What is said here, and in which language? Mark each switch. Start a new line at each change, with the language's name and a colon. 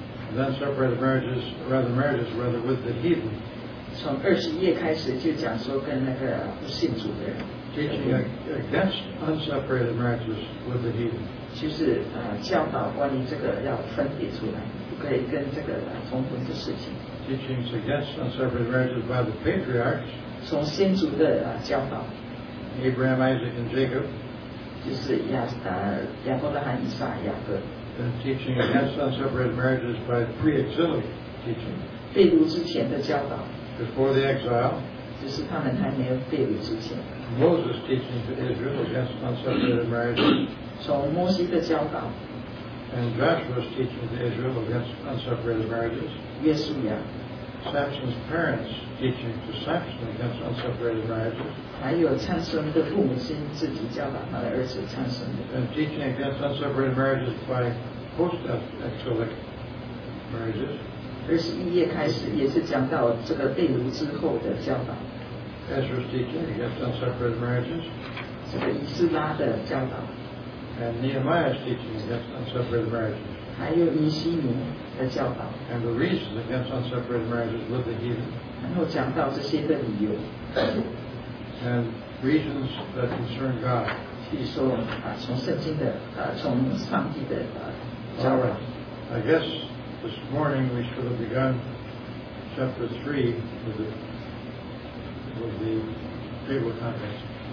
English: And then separated marriages rather with the heathen
Chinese: 从二十页开始就讲说跟那个不信主的人
English: Teaching against unseparated marriages with the heathen
Chinese: 就是教导关于这个要分别出来，不可以跟这个重婚的事情。
English: Teachings against unseparated marriages by the patriarchs.
Chinese: 从先祖的教导。
English: Abraham, Isaac, and Jacob.
Chinese: 就是亚伯拉罕、以撒、雅各。
English: And teaching against unseparated marriages by pre-exilic teaching.
Chinese: 被掳之前的教导。
English: Before the exile.
Chinese: 就是他们还没有被掳之前。
English: Moses teaching to Israel against unseparated marriages.
Chinese: 从摩西的教导。
English: And Joshua's teaching to Israel against unseparated marriages.
Chinese: 约书亚。
English: Samson's parents teaching to Samson against unseparated marriages.
Chinese: 还有参孙的父母亲自己教导他的儿子参孙。
English: And teaching against unseparated marriages by post-exilic marriages.
Chinese: 二十一页开始也是讲到这个被掳之后的教导。
English: Ezra's teaching against unseparated marriages.
Chinese: 这个以斯拉的教导。
English: And Nehemiah's teaching against unseparated marriages.
Chinese: 还有尼希米的教导。
English: And the reasons against unseparated marriages with the heathen.
Chinese: 然后讲到这些的理由。
English: and reasons that concern God.
Chinese: 譬如说我们啊，从圣经的啊，从上帝的啊，教导。
English: I guess this morning we should have begun chapter 3 with the table of contents.